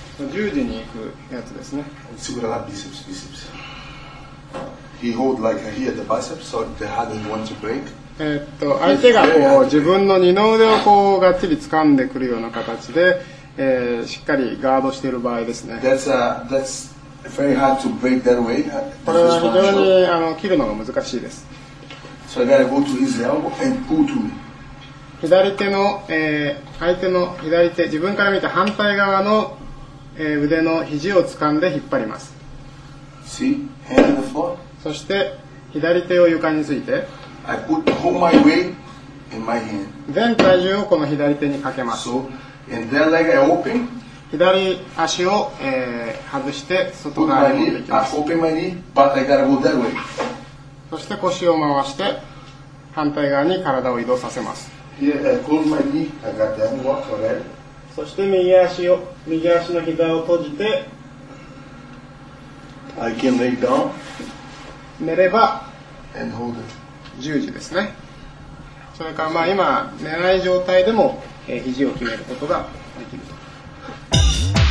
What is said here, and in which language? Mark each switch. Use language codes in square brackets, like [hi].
[ja] 十字に行くやつですね。つぶらがビセプス、ビセプス。 [en] He hold like here the biceps, so the hand didn't want to break. [ja] 相手がこう自分の二の腕をこうがっちり掴んでくるような形で、しっかりガードしている場合ですね。 [en] That's very hard to break that way. [ja] これは非常に切るのが難しいです。 [en] So I gotta go to his elbow and pull to me. [ja] 左手の、相手の左手、自分から見て反対側の腕の肘を掴んで引っ張ります。 [en] See? Hand on the floor. [ja] そして左手を床について、 [en] I put all my weight in my hand. [ja] 全体重をこの左手にかけます。 [en] So, and then leg I open. [ja] 左足を、外して外側に持っていきます。 [en] I open my knee, but I gotta go that way. [ja] そして腰を回して反対側に体を移動させます。 [en] Here I close my knee, I got that work already. [ja] そして右足の膝を閉じて、 [en] I can lay down. [ja] 寝れば、 [en] and hold it. [ja] 十字ですね。それからまあ今寝ない状態でも、肘を決めることができると。